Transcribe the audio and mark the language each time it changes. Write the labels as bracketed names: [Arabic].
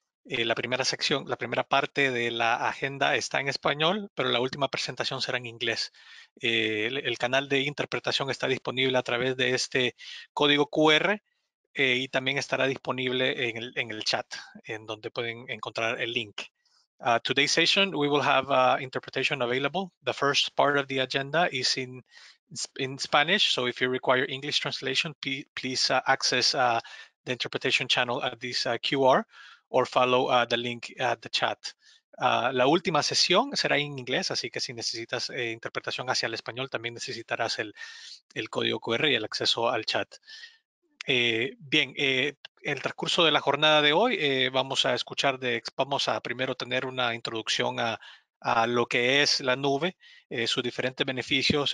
[Spanish] La primera sección, la primera parte de la agenda está en español, pero la última presentación será en inglés. El canal de interpretación está disponible a través de este código QR y también estará disponible en el chat, en donde pueden encontrar el link. [English] Today's session, we will have interpretation available. The first part of the agenda is in Spanish, so if you require English translation, please access the interpretation channel at this QR or follow the link at the chat. [Spanish] La última sesión será en inglés, así que si necesitas interpretación hacia el español, también necesitarás el código QR y el acceso al chat. En el transcurso de la jornada de hoy, vamos a primero tener una introducción a lo que es la nube, sus diferentes beneficios.